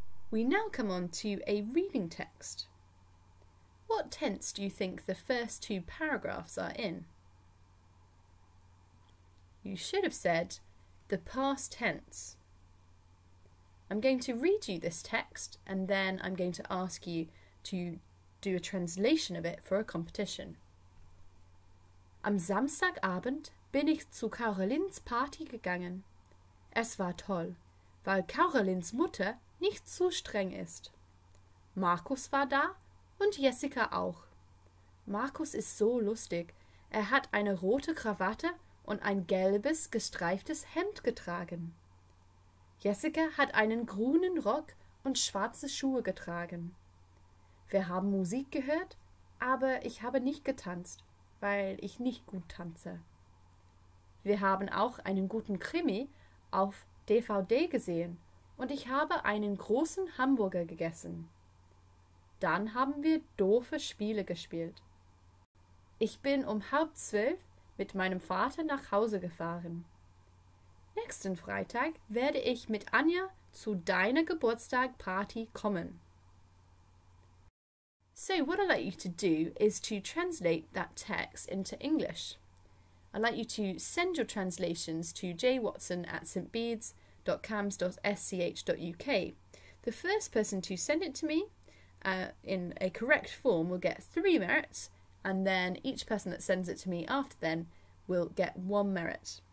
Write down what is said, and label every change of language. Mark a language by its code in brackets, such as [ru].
[en] We now come on to a reading text. What tense do you think the first two paragraphs are in? You should have said the past tense. I'm going to read you this text and then I'm going to ask you to do a translation of it for a competition. [de] Am Samstagabend bin ich zu Carolins Party gegangen. Es war toll, weil Carolins Mutter nicht zu streng ist. Markus war da und Jessica auch. Markus ist so lustig. Er hat eine rote Krawatte und ein gelbes, gestreiftes Hemd getragen. Jessica hat einen grünen Rock und schwarze Schuhe getragen. Wir haben Musik gehört, aber ich habe nicht getanzt, weil ich nicht gut tanze. Wir haben auch einen guten Krimi auf DVD gesehen und ich habe einen großen Hamburger gegessen. Dann haben wir doofe Spiele gespielt. Ich bin um 11:30 mit meinem Vater nach Hause gefahren. Nächsten Freitag werde ich mit Anja zu deiner Geburtstagparty kommen. [en] So what I'd like you to do is to translate that text into English. I'd like you to send your translations to jwatson@stbeads.cams.sch.uk. The first person to send it to me in a correct form will get 3 merits, and then each person that sends it to me after then will get 1 merit.